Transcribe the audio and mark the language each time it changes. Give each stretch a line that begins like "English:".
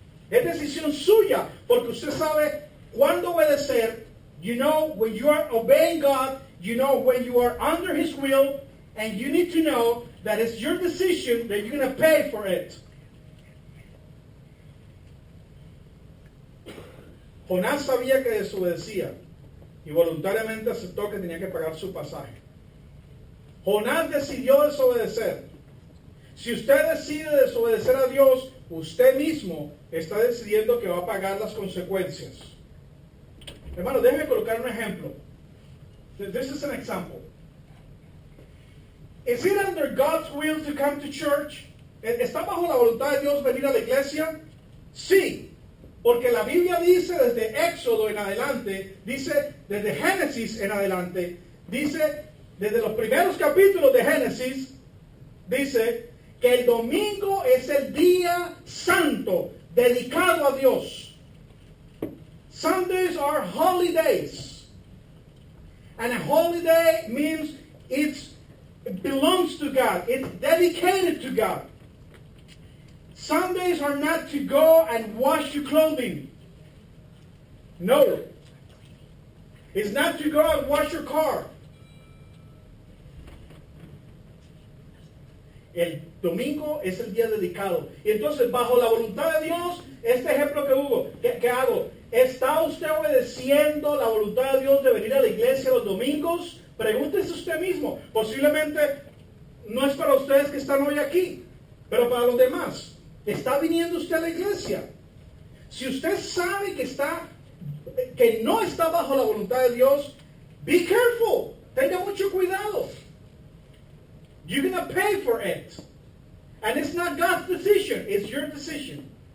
Spanish: Es decisión suya, porque usted sabe cuándo obedecer.
English: You know when you are obeying God, you know when you are under His will, and you need to know that it's your decision that you're going to pay for it.
Spanish: Jonás sabía que desobedecía y voluntariamente aceptó que tenía que pagar su pasaje. Jonás decidió desobedecer. Si usted decide desobedecer a Dios, usted mismo está decidiendo que va a pagar las consecuencias. Hermano, déjeme colocar un ejemplo.
English: This is an example. Is it under God's will to come to church?
Spanish: ¿Está bajo la voluntad de Dios venir a la iglesia? Sí, porque la Biblia dice desde Éxodo en adelante, dice desde Génesis en adelante, dice desde los primeros capítulos de Génesis, dice que el domingo es el día santo, dedicado a Dios.
English: Sundays are holy days. And a holy day means it belongs to God. It's dedicated to God. Sundays are not to go and wash your clothing. No. It's not to go and wash your car.
Spanish: El domingo es el día dedicado. Y entonces, bajo la voluntad de Dios, este ejemplo que hubo, ¿qué hago? ¿Está usted obedeciendo la voluntad de Dios de venir a la iglesia los domingos? Pregúntese usted mismo. Posiblemente no es para ustedes que están hoy aquí, pero para los demás. ¿Está viniendo usted a la iglesia? Si usted sabe que no está bajo la voluntad de Dios,
English: be careful,
Spanish: tenga mucho cuidado.
English: You're going to pay for it. And it's not God's decision. It's your decision.